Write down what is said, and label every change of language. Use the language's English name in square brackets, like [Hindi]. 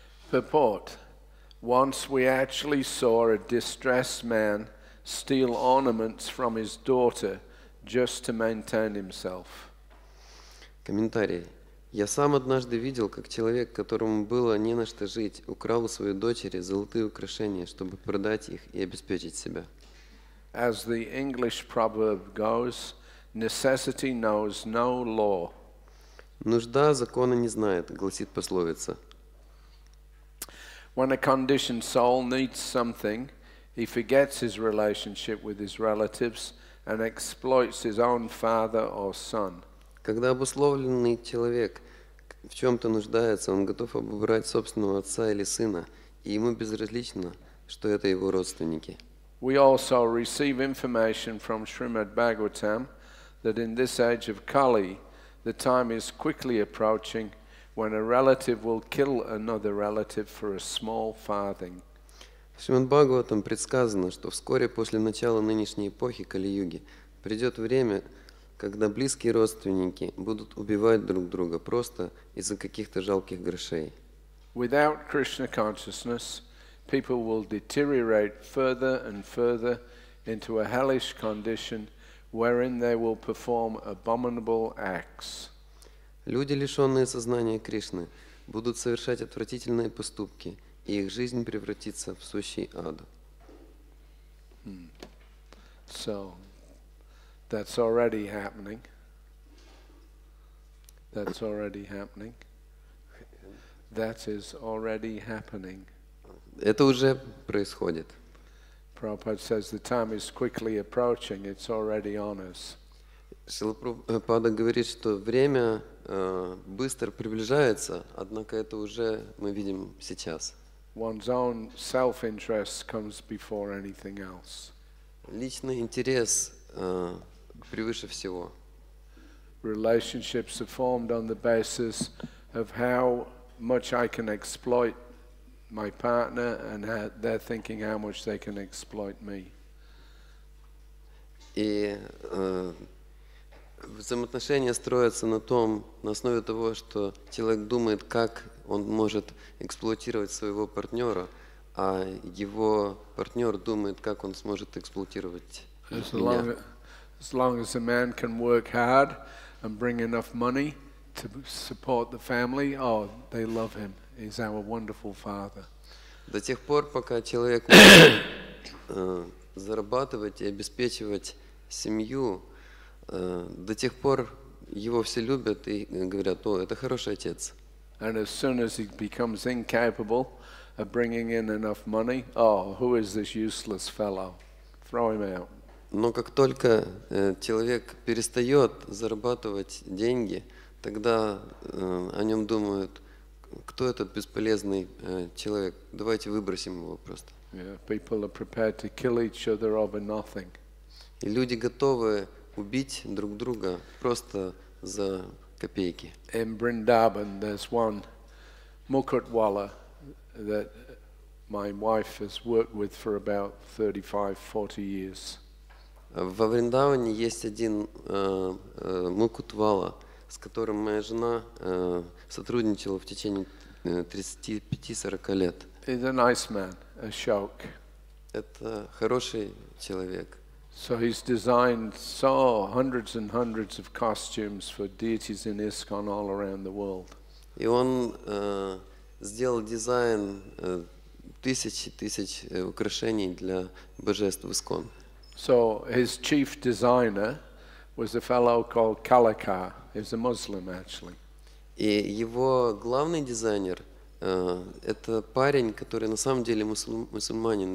[English] Purport. Once we actually saw a distressed man steal ornaments from his daughter just to maintain himself. [Russian] Комментарий. Я сам однажды видел, как человек, которому было не на что жить, украл у своей дочери золотые украшения, чтобы продать их и обеспечить себя. [English] As the English proverb goes, necessity knows no law. [Russian] Нужда закона не знает, гласит пословица. [English] When a conditioned soul needs something, he forgets his relationship with his relatives and exploits his own father or son. [Russian] Когда обусловленный человек в чем-то нуждается, он готов обобрать собственного отца или сына, и ему безразлично, что это его родственники. [English] We also receive information from Srimad Bhagavatam that in this age of Kali, the time is quickly approaching when a relative will kill another relative for a small farthing. [Russian] Шримад Бхагаватам предсказано, что вскоре после начала нынешней эпохи Кали-юги придет время, когда близкие родственники будут убивать друг друга просто из-за каких-то жалких грошей. [English] Without Krishna consciousness, people will deteriorate further and further into a hellish condition, wherein they will perform abominable acts. [Russian] Люди, лишенные сознания Кришны, будут совершать отвратительные поступки, и их жизнь превратится в сущий ад. [English] So, that's already happening. That's already happening. That is already happening. [Russian] Это уже происходит. [English] Prabhupada says the time is quickly approaching. It's already on us. [Russian] Шрила Прабхупада говорит, что время быстро приближается, однако это уже мы видим сейчас. [English] One's own self-interest comes before anything else. [Russian] Личный интерес превыше всего. [English] Relationships are formed on the basis of how much I can exploit my partner, and they're thinking how much they can exploit me. [Russian] И взаимоотношения строятся на том, на основе того, что человек думает, как он может эксплуатировать своего партнера, а его партнер думает, как он сможет эксплуатировать меня. [English] As long as a man can work hard and bring enough money to support the family, oh, they love him. He's our wonderful father. [Russian] До тех пор, пока человек может зарабатывать и обеспечивать семью, до тех пор его все любят и говорят: «О, это хороший отец». [English] And as soon as he becomes incapable of bringing in enough money, oh, who is this useless fellow? Throw him out. [Russian] Но как только человек перестает зарабатывать деньги, тогда о нем думают: кто этот бесполезный человек? Давайте выбросим его просто. [English] Yeah, people are prepared to kill each other over nothing. [Russian] И люди готовы убить друг друга просто за копейки. [English] In Vrindavan there's one Mukutwala that my wife has worked with for about 35-40 years. [Russian] Во Вриндаване есть один Мукутвала, с которым моя жена сотрудничала в течение 35-40 лет. [English] He's a nice man, Ashok. [Russian] Это хороший человек. [English] So he's designed so hundreds and hundreds of costumes for deities in ISKCON all around the world. [Russian] И он сделал дизайн тысяч и тысяч украшений для божеств в ISKCON. [English] So his chief designer was a fellow called Kalakar. He's a Muslim, actually. [Russian] И его главный дизайнер это парень, который на самом деле мусульманин.